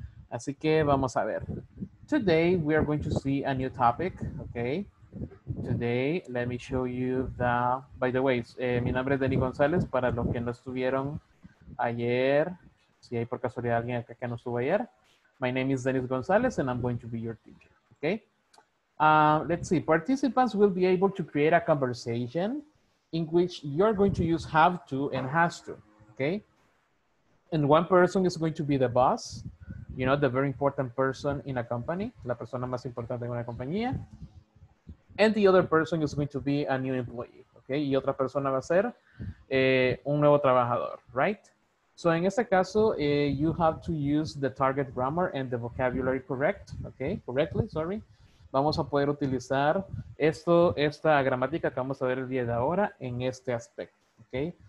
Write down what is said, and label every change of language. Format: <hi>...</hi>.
<es>Así que vamos a ver.</es> <en>Today we are going to see a new topic, ¿ok? Today, let me show you the... By the way,</en> <es>mi nombre es Denny González, para los que no estuvieron ayer... Si hay por casualidad alguien acá que no estuvo ayer.</es> <en>My name is Dennis González and I'm going to be your teacher. Okay? Let's see. Participants will be able to create a conversation in which you're going to use have to and has to. Okay? And one person is going to be the boss. You know, the very important person in a company.</en> <es>La persona más importante en una compañía.</es> <en>And the other person is going to be a new employee. Okay?</en> <es>Y otra persona va a ser un nuevo trabajador. Right?</es> <en>So in</en> <es>este caso,</es> <en>you have to use the target grammar and the vocabulary correctly.</en> <es>Vamos a poder utilizar esta gramática que vamos a ver el día de ahora en este aspecto, okay?</es>